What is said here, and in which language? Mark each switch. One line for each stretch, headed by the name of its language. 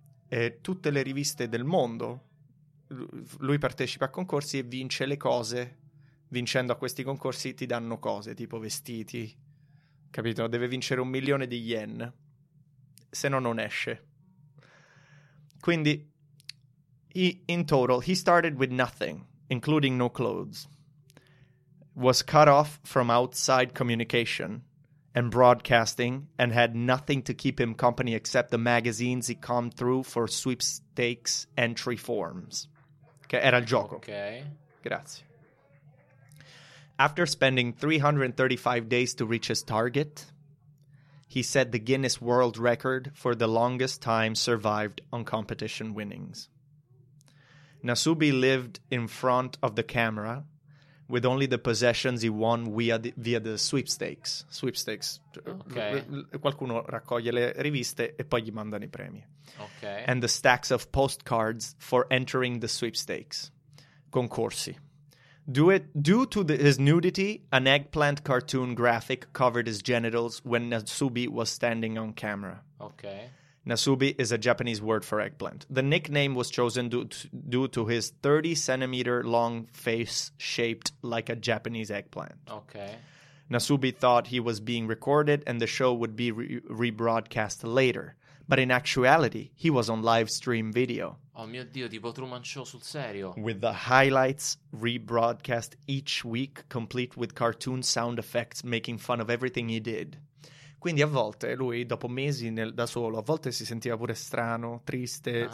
Italian: E tutte le riviste del mondo, lui partecipa a concorsi e vince le cose, vincendo a questi concorsi ti danno cose, tipo vestiti, capito? Deve vincere 1.000.000 di yen, se no non esce. Quindi,
English: in total, he started with nothing, including no clothes, was cut off from outside communication and broadcasting, and had nothing to keep him company except the magazines he combed through for sweepstakes entry forms.
Italian: Che era il gioco. Okay. Grazie.
English: After spending 335 days to reach his target, he set the Guinness World Record for the longest time survived on competition winnings. Nasubi lived in front of the camera with only the possessions he won via the sweepstakes. Sweepstakes. Okay.
Italian: Qualcuno raccoglie le riviste e poi gli mandano i premi. Okay.
English: And the stacks of postcards for entering the sweepstakes.
Italian: Concorsi.
English: Due to his nudity, an eggplant cartoon graphic covered his genitals when Nasubi was standing on camera. Okay. Nasubi is a Japanese word for eggplant. The nickname was chosen due to his 30-centimeter-long face shaped like a Japanese eggplant. Okay. Nasubi thought he was being recorded and the show would be rebroadcast later. But in actuality, he was on live stream video.
Italian: Oh mio Dio, tipo Truman Show sul serio.
English: With the highlights rebroadcast each week, complete with cartoon sound effects making fun of everything he did.
Italian: Quindi a volte lui, dopo mesi da solo, a volte si sentiva pure strano, triste, uh-huh.